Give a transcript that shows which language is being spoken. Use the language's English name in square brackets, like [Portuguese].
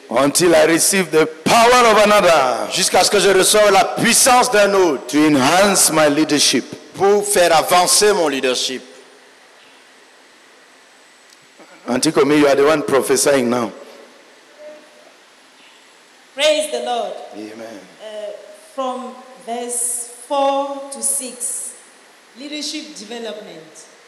[English] Until I receive the power of another. [French] Jusqu'à ce que je reçoive la puissance d'un autre. [English] To enhance my leadership. [French] Pour faire avancer mon leadership. [English] Antikomi, you are the one prophesying now. Praise the Lord. Amen. From verse 4 to 6, leadership development.